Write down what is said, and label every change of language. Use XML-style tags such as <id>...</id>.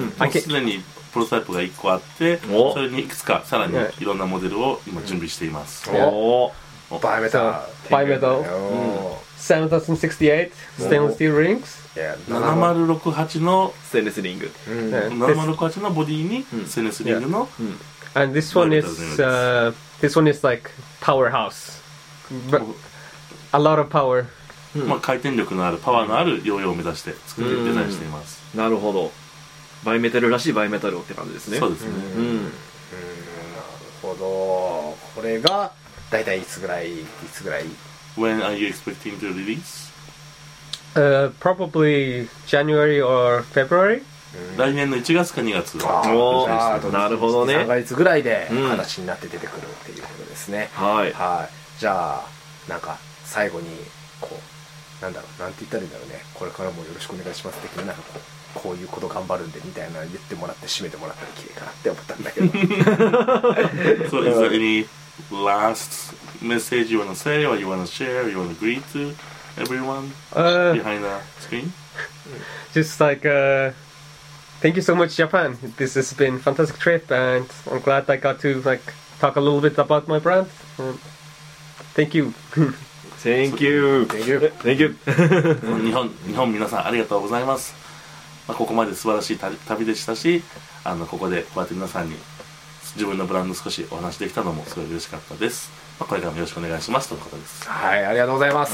<ja>すでにプロトタイプが1個あって、それにいくつかさらにいろんなモデルを今準備しています。バイメタル7068</ja> <en>stainless steel rings 7068の</en> <ja>ステンレスリング、 7068のボディにステンレスリングの、</ja> <en>and this one is this one is like powerhouse a lot of power、</en> <ja>まあ、回転力のあるパワーのあるヨーヨーを目指して作ってデザインしています。なるほど、バイメタルらしいバイメタルって感じですね。そうですね。なるほど、これが大体いつぐらい</ja> <en>When are you expecting to release? Probably January or February.</en> <ja>来年の1月か2月。なるほどね。 3ヶ月ぐらいで話になって出てくるっていうことですね。はい、はい、じゃあなんか最後にこうなんだろう、なんて言ったらいいんだろうね、これからもよろしくお願いします的な、なんかこうこういうこと頑張るんでみたいな言ってもらって締めてもらったら綺麗かなって思ったんだけど。</ja> <en>So is there anyLast message you want to say or you want to share, you want to greet to everyone behind the screen? Just like, thank you so much, Japan. This has been a fantastic trip, and I'm glad I got to like, talk a little bit about my brand. Thank you. Thank you. Thank you. Thank you.</en> <ja>日本皆さん、ありがとうございます。まあ、ここまで素晴らしい旅でしたし、ここでこうやって皆さんに自分のブランド少しお話できたのもすごい嬉しかったです。まあ、これからもよろしくお願いしますとのことです。はい、ありがとうございます。</ja>